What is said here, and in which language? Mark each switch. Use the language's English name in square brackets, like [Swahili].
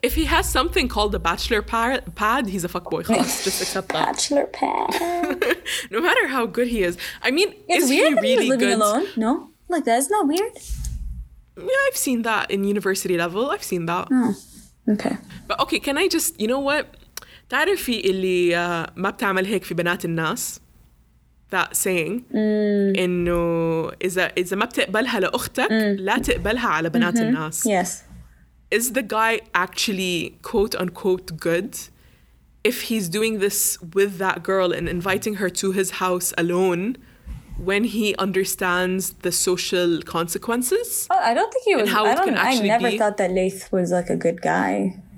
[English] if he has something called a bachelor pad, he's a fuckboy. Just accept that. Bachelor pad. No matter how good he is. I mean, it's is weird he really living good? Alone? No? Like, that's not weird? Yeah, I've seen that in university level. I've seen that. Okay. But okay, can I just, you know what? [Arabic] تعرفي اللي ما بتعمل هيك في بنات الناس, [English] that saying, [Arabic] إنه إذا ما بتقبلها لأختك لا تقبلها على بنات الناس. [English] Yes. Is the guy actually quote unquote good if he's doing this with that girl and inviting her to his house alone when he understands the social consequences? Oh, I don't think he was. I never thought that Laith was like a good guy.